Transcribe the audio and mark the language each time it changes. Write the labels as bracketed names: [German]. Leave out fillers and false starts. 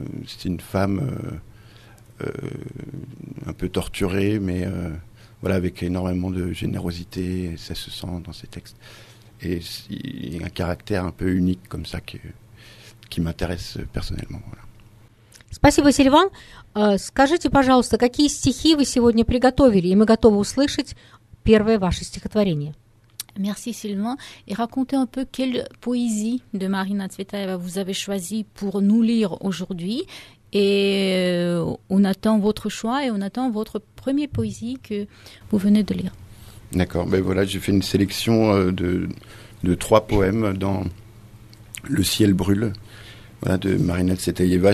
[French] C'est une femme un peu torturée, mais voilà, avec énormément de générosité, ça se sent dans ses textes. Et un caractère un peu unique comme ça qui m'intéresse personnellement. Voilà. [Russian] Спасибо, Сильван. Скажите, пожалуйста, какие стихи вы сегодня приготовили? И мы готовы услышать первое ваше стихотворение. [French] Merci, Sylvain. Et racontez un peu quelle poésie de Marina Tsvetaeva vous avez choisi pour nous lire aujourd'hui. Et on attend votre choix et on attend votre première poésie que vous venez de lire. D'accord, ben voilà, j'ai fait une sélection de trois poèmes dans Le ciel brûle, voilà, de Marina Tsetayeva.